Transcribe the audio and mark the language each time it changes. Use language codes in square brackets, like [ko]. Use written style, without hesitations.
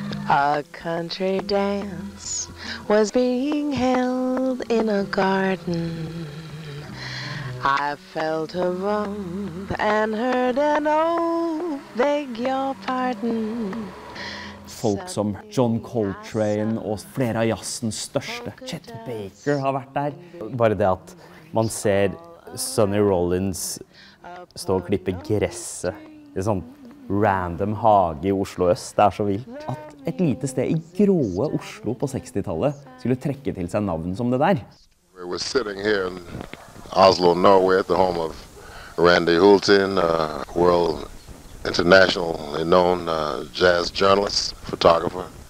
[en] A country dance was being held in a garden. I felt a bump and heard an oh, beg your pardon. [no] Folk som John Coltrane og flere av jazzens største, Chet Baker, har vært der. Bare det at man ser Sonny Rollins stå og klippe gresset i sånn random hage i Oslo Øst, det er så vilt. At et lite sted i gråe Oslo på 60-tallet skulle trekke til seg navn som det der. Vi var [en] sitting [no] her i [en] Oslo, Norge, at the home of Randy Hulton, world internationally known jazz journalist, photographer.